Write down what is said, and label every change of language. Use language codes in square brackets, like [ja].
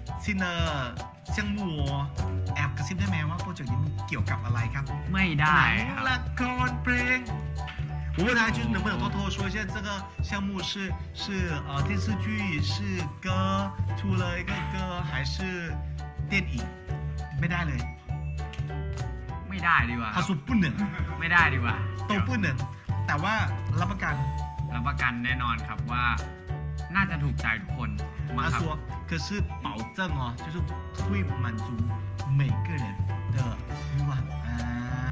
[th] ที่เนอร์เชียงหมูแอบกระซิบได้ไหมว่าโปรเจกต์นี้มันเกี่ยวกับอะไรครับ ไม่ได้ หนังละครเพลง [zh] 我问他就是能不能偷偷说一下这个项目是电视剧是歌出了一个歌还是电影 [th] ไม่ได้เลย ไม่ได้ดีกว่า [zh] 他说不能 [th] ไม่ได้ดีกว่า [zh] 都不能 [th] แต่ว่ารับประกัน แน่นอนครับว่าน่าจะถูกใจทุกคนมากครับ [zh] 可是保证哦，就是会满足每个人的欲望啊。